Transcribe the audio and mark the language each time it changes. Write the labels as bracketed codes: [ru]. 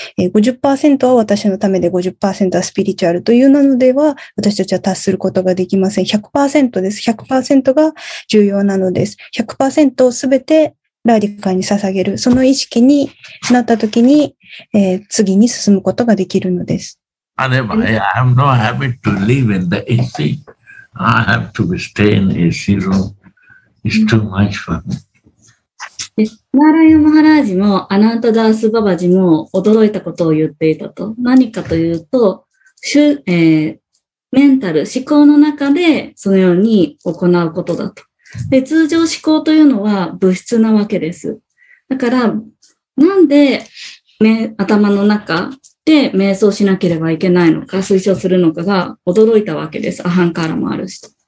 [ja] 50% は私のためで 50% はスピリチュアルというのでは、私たちは達することができません。 100% です。100% が重要なのです。 100% をすべてラディカに捧げる。その意識になったときに、次に進むことができるのです。 [en] I have no habit to live in the AC. I have to stay in the AC room. It's too much for me. [ja] ナーラヤマハラージもアナントダースババジも驚いたことを言っていたと。何かというと、メンタル、思考の中でそのように行うことだと。で、通常思考というのは物質なわけです。だから、なんで頭の中、で、瞑想しなければいけないのか、推奨するのかが驚いたわけです。アハンカーラもあるし。